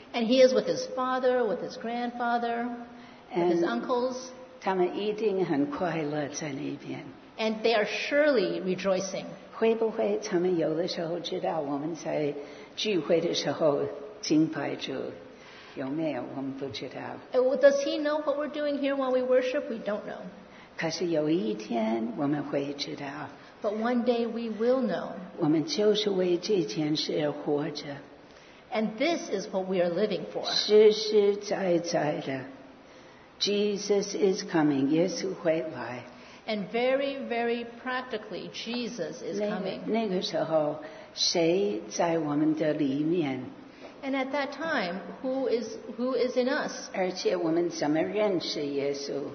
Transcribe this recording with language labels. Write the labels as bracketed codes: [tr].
[en] And he is with his father, with his grandfather, with his uncles. [zh] 她们一定很快乐在那边。 [en] And they are surely rejoicing. [zh] 会不会他们有的时候知道我们在聚会的时候敬拜主？有没有？我们不知道。 [en] Does he know what we're doing here while we worship? We don't know. [zh] 可是有一天我们会知道。But [en] one day we will know. [zh] 我们就是为这件事而活着。And [en] this is what we are living for. [zh] 实实在在的。 [en] Jesus is coming. [zh] 耶稣会来。 [en] And very, very practically, Jesus is coming. [zh] 那个时候，谁在我们的里面？ [en] And at that time, who is in us? [zh] 而且我们怎么认识耶稣？